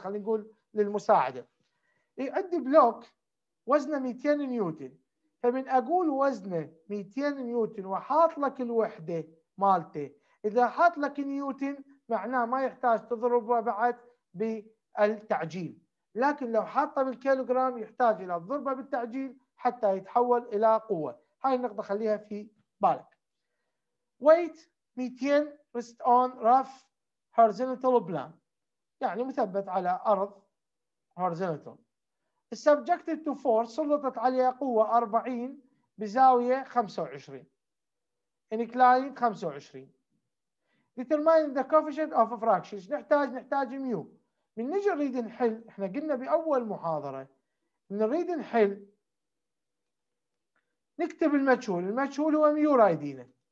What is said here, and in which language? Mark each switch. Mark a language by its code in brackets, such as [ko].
[ar] خلينا نقول للمساعدة، عندي بلوك وزنه 200 نيوتن، فمن أقول وزنه 200 نيوتن وحاط لك الوحدة مالته، إذا حاط لك نيوتن معناه ما يحتاج تضربه بعد بالتعجيل، لكن لو حاطه بالكيلوغرام يحتاج إلى الضربة بالتعجيل حتى يتحول إلى قوة. هاي النقطة خليها في بالك. [en] Weight 200 rest on rough horizontal plane، [ar] يعني مثبت على أرض [en] horizontal. Subjected to force [ar] سلطت عليها قوة 40 بزاوية 25. [en] Inclined 25. Determine the coefficient of a fraction. [ar] إيش نحتاج؟ نحتاج ميو. من نجي نريد نحل، إحنا قلنا بأول محاضرة نريد نحل نكتب المجهول، المجهول هو ميو رايدينا.